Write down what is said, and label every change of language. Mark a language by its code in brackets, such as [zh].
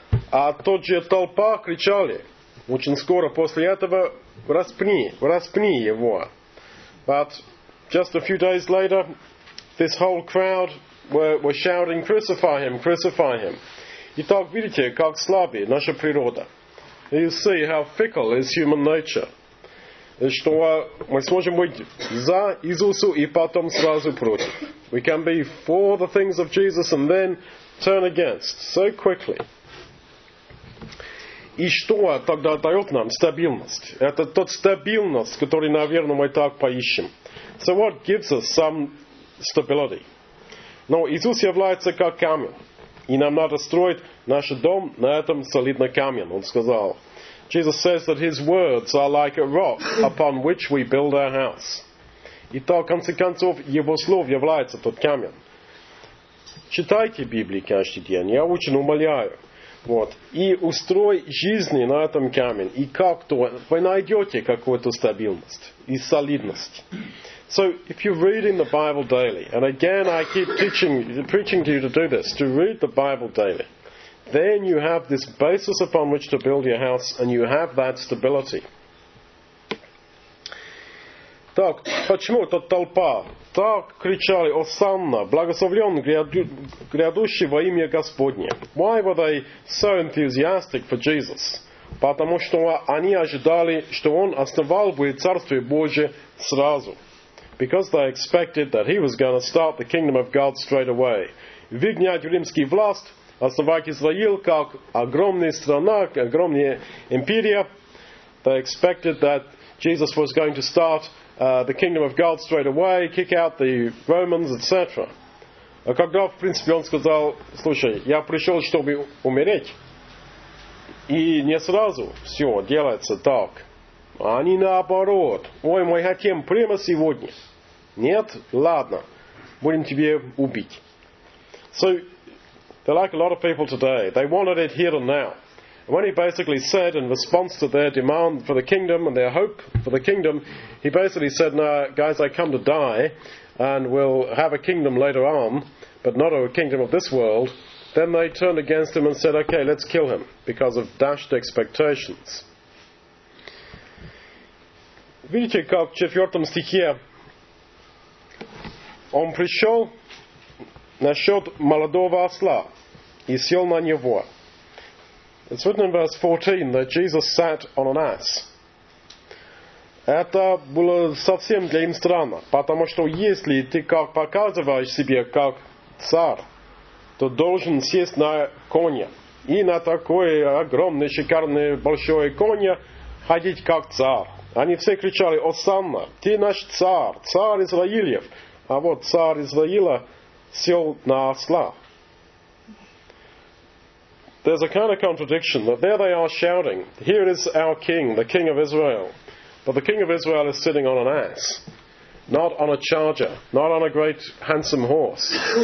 [ru] А тот же толпа кричали, очень скоро после этого, распни его. [en] But just a few days later, this whole crowd were shouting, crucify him, crucify him. [ru] Итак, видите, как слаба наша природа. [en] You see how fickle is human nature. [ru] Что мы сможем быть за Иисуса и потом сразу против. [en] We can be for the things of Jesus and then turn against so quickly. [ru] И что тогда дает нам стабильность? Это тот стабильность, который, наверное, мы так поищем. [en] So what gives us some stability? [ru] Но Иисус является как камень, и нам надо строить наш дом на этом солидном камне, он сказал. [en] Jesus says that his words are like a rock upon which we build our house. [ru] И так, в конце концов, его слово является тот камень. Читайте Библию каждый день, я очень умоляю. Вот. И устрой жизни на этом камне, и как-то вы найдете какую-то стабильность и солидность. [en] So, if you're reading the Bible daily, and again I keep preaching to you to do this, to read the Bible daily, then you have this basis upon which to build your house, and you have that stability. [ru] Так, почему эта толпа так кричали, «Осанна, благословлен грядущий во имя Господне»? [en] Why were they so enthusiastic for Jesus? [ru] Потому что они ожидали, что Он основал бы Царствие Божие сразу. [en] Because they expected that he was going to start the kingdom of God straight away. [ru] Вигнять римский власт, основать Израил как огромная страна, огромная империя. [en] They expected that Jesus was going to start the kingdom of God straight away, kick out the Romans, etc. [ru] А когда, в принципе, он сказал, слушай, я пришел, чтобы умереть. И не сразу все делается так. Они наоборот. Ой, мы хотим прямо сегодня. Нет? Ладно. Будем тебе убить. [en] So, they're like a lot of people today. They wanted it here and now. When he basically said in response to their demand for the kingdom and their hope for the kingdom, he basically said, no, guys, I come to die and we'll have a kingdom later on, but not a kingdom of this world. Then they turned against him and said, okay, let's kill him because of dashed expectations. [ru] Видите, как в 4 стихе он пришел, насчет молодого осла и сел на него. [en] It's written in verse 14 that Jesus sat on an ass. [ru] Это было совсем для им странно, потому что если ты как показываешь себе как царь, то должен сесть на коня. И на такой огромный, шикарный, большой коня ходить как царь. Они все кричали: «Осанна, ты наш царь, царь Израилев!» А вот царь Израиля сел на осла. [en] There's a kind of contradiction that there they are shouting, here is our king, the king of Israel. But the king of Israel is sitting on an ass, not on a charger, not on a great handsome horse.